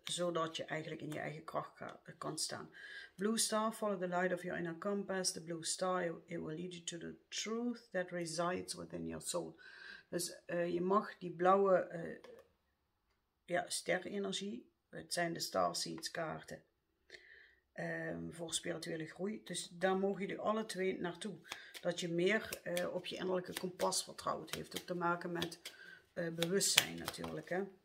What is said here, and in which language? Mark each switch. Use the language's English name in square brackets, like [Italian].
[Dutch] Zodat je eigenlijk in je eigen kracht kan staan. [English] Blue star, follow the light of your inner compass. The blue star, it will lead you to the truth that resides within your soul. [Dutch] Dus je mag die blauwe sterrenenergie. Het zijn de starseeds kaarten. voor spirituele groei. Dus daar mogen jullie alle twee naartoe. Dat je meer op je innerlijke kompas vertrouwt. Heeft ook te maken met bewustzijn natuurlijk. Hè?